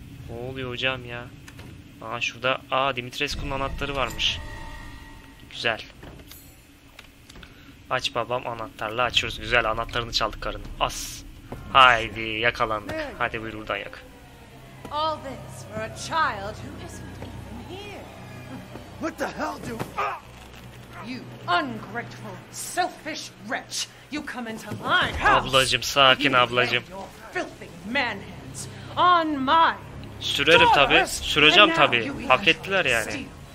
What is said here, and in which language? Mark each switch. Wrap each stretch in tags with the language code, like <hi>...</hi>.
<tr>Ne oluyor hocam ya? Aa, şurada Dimitrescu'nun anahtarı varmış. Güzel. Aç babam, anahtarla açıyoruz. Güzel, anahtarını çaldık karının. As. Haydi yakalandık. Hadi buyur buradan yak.</tr> <en>All this for a child who isn't even here. What the hell do you ungrateful, selfish wretch? You come into my house.</en> <tr>Ablacım, sakin ablacım.</tr> <en>You have your filthy man hands on my.</en> <tr>Sürerim tabi, süreceğim tabi. Hak ettiler yani.</tr>